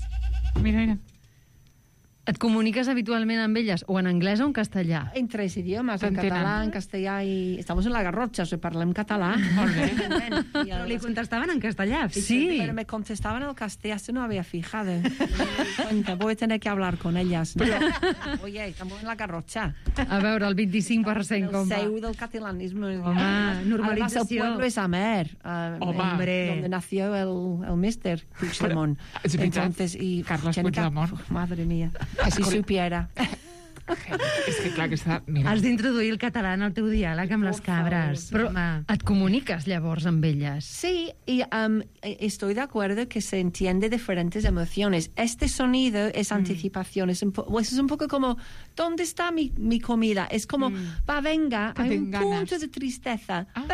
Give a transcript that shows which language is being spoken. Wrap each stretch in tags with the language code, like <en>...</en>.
<ca>Sí. Mira. Et comuniques habitualment amb elles, o en anglès o en castellà? En tres idiomes, en català, en castellà i...</ca> <es>Estamos en la Garrotxa,</es> <ca>o sigui, parlem català. Molt bé. Però li contestaven en castellà. Sí. Però me contestaven en castellà, això no havia fijado.</ca> <es>Voy a tener que hablar con ellas. Però... Oye, estamos en la Garrotxa.</es> <ca>A veure, el 25% com va. El seu del catalanisme. Home, normalització.</ca> <es>Además, el pueblo es Amer.</es> <ca>Home.</ca> <es>Donde nació el míster Puigdemont.</es> <ca>És veritat, Carles Puigdemont.</ca> <es>Madre mía. Que si supiera.</es> <ca>És que clar que està... Has d'introduir el català en el teu diàleg amb les cabres. Però et comuniques llavors amb elles.</ca> <es>Sí, y estoy de acuerdo que se entiende diferentes emociones. Este sonido es anticipación. Es un poco como, ¿dónde está mi comida? Es como, va, venga, hay un punto de tristeza.</es>